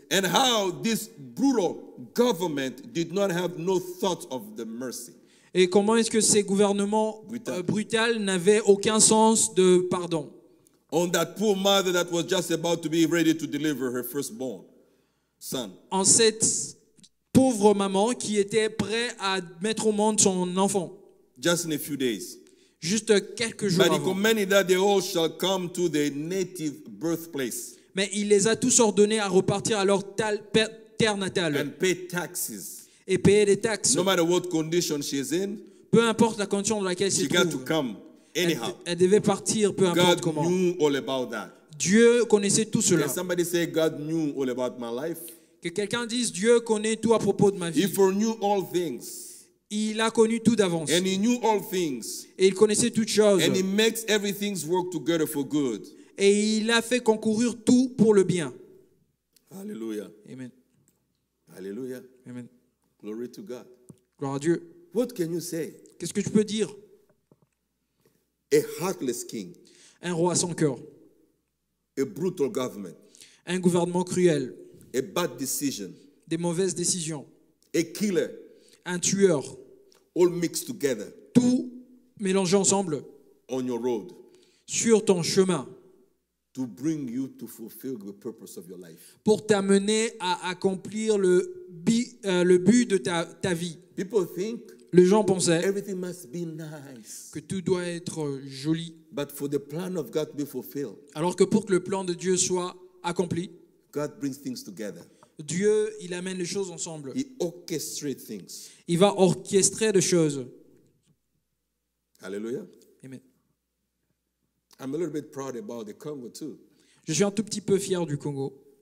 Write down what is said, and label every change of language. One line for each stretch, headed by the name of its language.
English: And how this brutal government did not have no thought of the mercy.
French: Et comment est-ce que ces gouvernements brutaux n'avaient aucun sens de pardon?
English: on that poor mother that was just about to be ready to deliver her firstborn son.
French: En cette pauvre maman qui était prête à mettre au monde son enfant.
English: Just in a few days.
French: Juste quelques jours avant.
English: But he commanded that they all shall come to their native birthplace.
French: Mais il les a tous ordonnés à repartir à leur terre natale.
English: And pay taxes.
French: Et payer des taxes.
English: No matter what condition she is in.
French: Peu importe la condition dans laquelle
English: she
French: se trouve.
English: She got to come. Anyhow,
French: elle devait partir, peu importe comment.
English: Knew all about that.
French: Dieu connaissait tout cela.
English: Can somebody say God knew all about my life?
French: Que quelqu'un dise Dieu connaît tout à propos de ma vie.
English: He foreknew all things.
French: Il a connu tout d'avance.
English: And he knew all things.
French: Et il connaissait toutes choses.
English: And he makes everything work together for good.
French: Et il a fait concourir tout pour le bien. Alléluia. Amen. Alléluia. Amen.
English: Glory to God.
French: Gloire à Dieu.
English: What can you say?
French: Qu'est-ce que tu peux dire?
English: A heartless king.
French: Un roi sans cœur.
English: A brutal government.
French: Un gouvernement cruel.
English: A bad decision.
French: Des mauvaises décisions.
English: A killer.
French: Un tueur.
English: All mixed together.
French: Tout mélangé ensemble.
English: On your road.
French: Sur ton chemin.
English: To bring you to fulfill the purpose of your life.
French: Pour t'amener à accomplir le but de ta vie.
English: People think.
French: Les gens pensaient
English: everything must be nice.
French: Que tout doit être joli.
English: But for the plan of God to be fulfilled,
French: alors que pour que le plan de Dieu soit accompli,
English: God brings things together.
French: Dieu, il amène les choses ensemble.
English: He orchestrates things.
French: Il va orchestrer des choses. Alléluia. Amen.
English: I'm a little bit proud about the Congo too.
French: Je suis un tout petit peu fier du Congo.